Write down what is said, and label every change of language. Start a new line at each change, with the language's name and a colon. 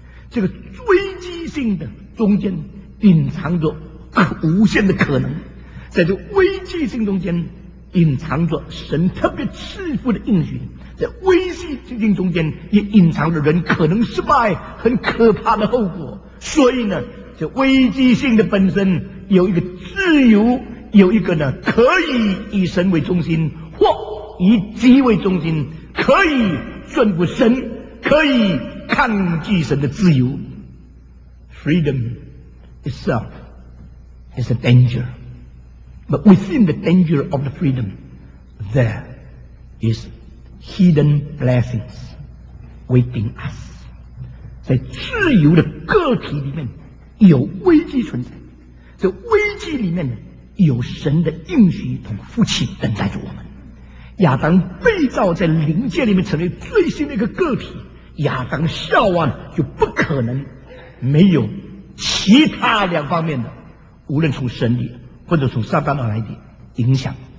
Chinese: 这个危机性的中间隐藏着无限的可能，在这危机性中间隐藏着神特别赐福的应许，在危机性中间也隐藏着人可能失败很可怕的后果。所以呢，这危机性的本身有一个自由，有一个呢，可以以神为中心，或以己为中心，可以顺服神，可以抗拒神的自由。
English: Freedom itself is a danger, but within the danger of the freedom, there is hidden blessings waiting us.
Chinese: 在自由的个体里面有危机存在，这危机里面呢，有神的应许同福气等待着我们。亚当被造在灵界里面成为最新的一个个体，亚当夏娃就不可能没有其他两方面的，无论从神的或者从撒旦而来的影响。